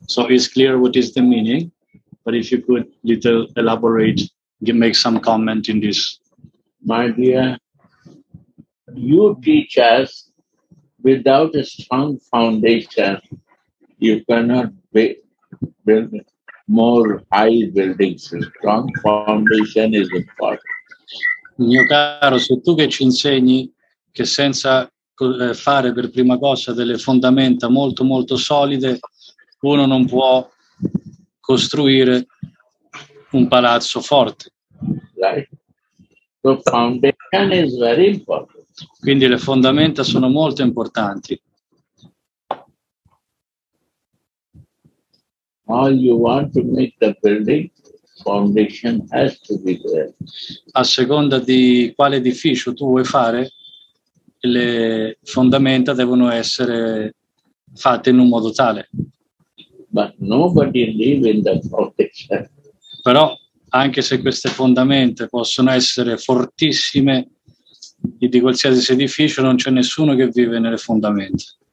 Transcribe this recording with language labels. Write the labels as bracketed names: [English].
[English] So it's clear what is the meaning, but if you could little elaborate, make some comment in this. My dear, you teach us without a strong foundation, you cannot build more high buildings. Strong foundation is important. [Italian] Mio caro, se tu che ci insegni che senza fare per prima cosa delle fondamenta molto molto solide uno non può costruire un palazzo forte. [English] Right. The foundation is very important. [Italian] Quindi le fondamenta sono molto importanti. [English] All you want to make the building, foundation has to be there. [Italian] A seconda di quale edificio tu vuoi fare, le fondamenta devono essere fatte in un modo tale. [English] But nobody live in the foundation. [Italian] Però anche se queste fondamenta possono essere fortissime di qualsiasi edificio, non c'è nessuno che vive nelle fondamenta.